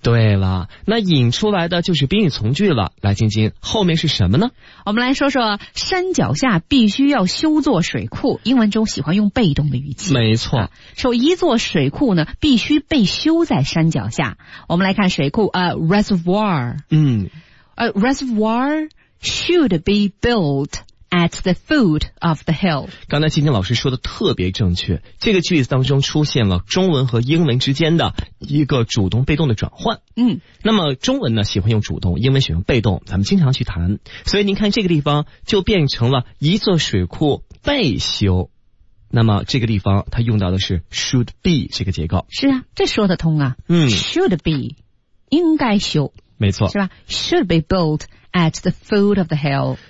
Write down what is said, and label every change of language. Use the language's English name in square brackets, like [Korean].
[Chinese] 对了，那引出来的就是宾语从句了。来，晶晶，后面是什么呢？我们来说说山脚下必须要修座水库。英文中喜欢用被动的语气。没错，说一座水库呢必须被修在山脚下。我们来看水库reservoir。 [English] A reservoir should be built at the foot of the hill。 [Chinese] 刚才金金老师说的特别正确，这个句子当中出现了中文和英文之间的一个主动被动的转换。那么中文呢喜欢用主动，英文喜欢被动，咱们经常去谈，所以您看这个地方就变成了一座水库被修，那么这个地方它用到的是 should be 这个结构。是啊，这说得通啊。should be 应该修，没错，是吧？ [English] should be built at the foot of the hill。